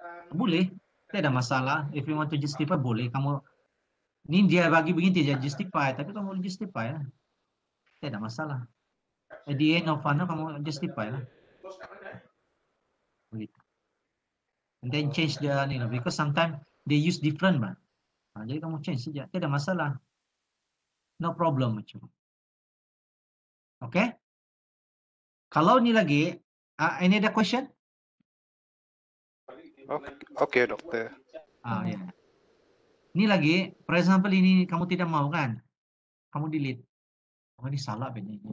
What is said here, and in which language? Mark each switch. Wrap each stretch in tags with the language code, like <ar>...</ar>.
<ms>Boleh, tidak ada masalah.</ms> <en>If you want to justify,</en> <ms>boleh. Kamu ini dia bagi begini tidak justify, tapi kamu justify ya, tidak ada masalah.</ms> <en>At the end of funnel, kamu justify lah. And then change the name, you know, because sometimes they use different, man.</en> <ms>Nah, jadi kamu change saja, tidak ada masalah.</ms> <en>No problem, macam. Okay?</en> <ms>Kalau ni lagi,</ms> <en>any other question? Okay, okay doktor. Ah, ya. Yeah.</en> <ms>Ni lagi,</ms> <en>for example</en> <ms>ini kamu tidak mau kan? Kamu delete. Oh, ini salah benar-benar.</ms>